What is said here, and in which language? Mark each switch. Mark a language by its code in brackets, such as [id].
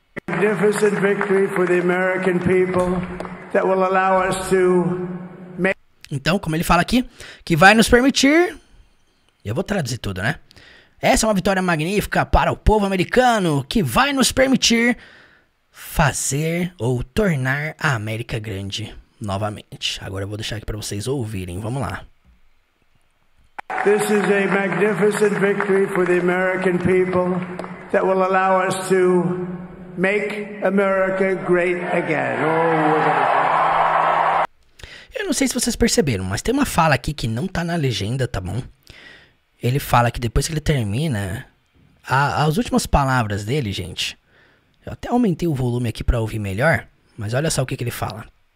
[en] Magnificent victory for the American people that will allow us to make... [pt] Então, como ele fala aqui, que vai nos permitir... Eu vou traduzir tudo, né? Essa é uma vitória magnífica para o povo americano que vai nos permitir fazer ou tornar a América grande novamente. Agora eu vou deixar aqui para vocês ouvirem. Vamos lá. [en] This is a magnificent victory for the American people that will allow us to make America great again. [pt] Eu não sei se vocês perceberam, mas tem uma fala aqui que não tá na legenda, tá bom? Ele fala que depois que ele termina, as últimas palavras dele, gente, eu até aumentei o volume aqui pra ouvir melhor, mas olha só o que, que ele fala.